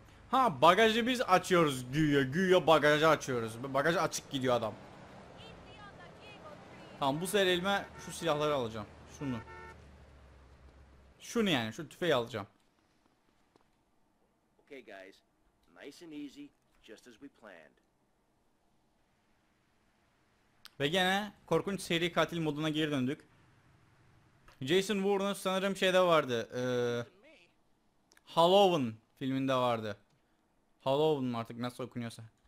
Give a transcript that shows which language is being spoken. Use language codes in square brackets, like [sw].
[tr] Ha, bagajı biz açıyoruz güya. Güya bagajı açıyoruz. Bagaj açık gidiyor adam. Tamam, bu sefer elime şu silahları alacağım. Şunu. Şunu yani, şu tüfeği alacağım. [en] Okay guys, nice and easy, just as we planned. [tr] Ve gene korkunç seri katil moduna geri döndük. Jason Bourne sanırım şeyde vardı. Halloween filminde vardı. Halloween artık nasıl okunuyorsa.